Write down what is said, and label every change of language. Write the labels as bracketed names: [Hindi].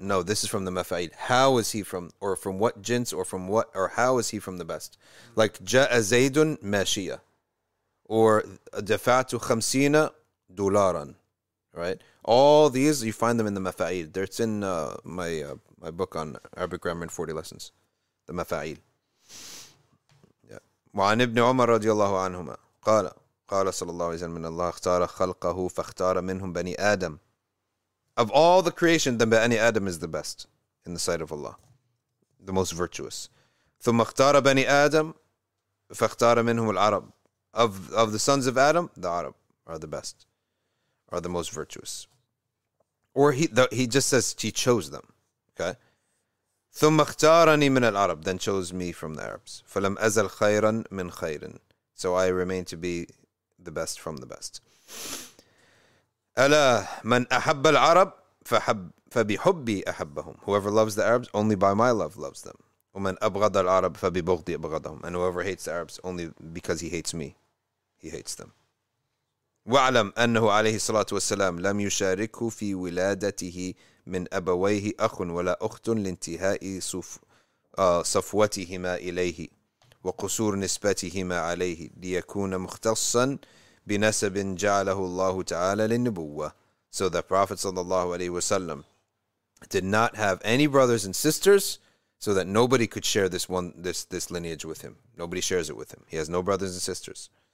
[English] No, this is from the مفاعيل. How is he from, or from what جنس, or from what, or how is he from the best? Mm-hmm. Like, [Arabic] جاء زيد ماشية. [English] Or [Arabic] دفعت خمسين دولارا, [English] right? All these you find them in the مفاعيل. It's in my book on Arabic grammar in 40 lessons, the مفاعيل. [Arabic] وعن ابن عمر رضي الله عنهما قال قال صلى الله عليه وسلم إن الله اختار خلقه فاختار منهم بني آدم. [English] Of all the creation, the بني آدم is the best in the sight of Allah, the most virtuous. [Arabic] ثم اختار بني آدم فاختار منهم العرب. [English] Of the sons of Adam, the Arab are the best, are the most virtuous. Or he just says he chose them. Okay. [Arabic] ثم اختارني من العرب, [English] then chose me from the Arabs. [Arabic] فلم أزل خيرا من خير. [English] So I remain to be the best from the best. [Arabic] ألا من أحب العرب فبحبي أحبهم. [English] Whoever loves the Arabs, only by my love loves them. [Arabic] ومن أبغض العرب فببغضي أبغضهم. [English] And whoever hates the Arabs, only because he hates me, he hates them. [Arabic] وعلم أنه عليه الصلاة والسلام لم يشارك في ولادته من أبويه أخ ولا أخت لانتهاء صفوتهما إليه وقصور نسبتهما عليه ليكون مختصا بنسب جعله الله تعالى للنبوة. [English] So the Prophet [Arabic] صلى الله عليه وسلم [English] did not have any brothers and sisters, so that nobody could share this lineage with him. Nobody shares it with him. He has no brothers and sisters.